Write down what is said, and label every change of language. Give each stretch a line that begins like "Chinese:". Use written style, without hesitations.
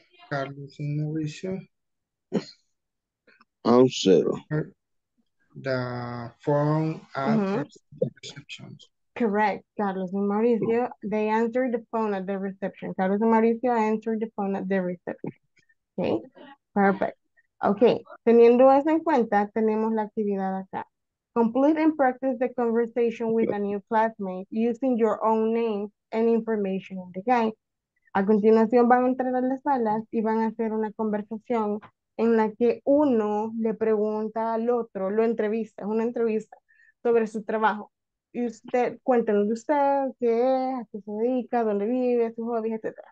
English: Carlos and Mauricio answer the phone at the reception. Correct. Carlos and Mauricio, they answered the phone at the reception. Carlos and Mauricio answered the phone at the reception. Okay. Perfect.
Spanish: Ok, teniendo eso en cuenta, tenemos la actividad acá.
English: Complete and practice the conversation with a new classmate using your own name and information in the guide.
Spanish: A continuación van a entrar a las salas y van a hacer una conversación en la que uno le pregunta al otro, lo entrevista, es una entrevista sobre su trabajo. Y usted, cuéntenos de usted, qué es, a qué se dedica, dónde vive, sus hobbies, etc.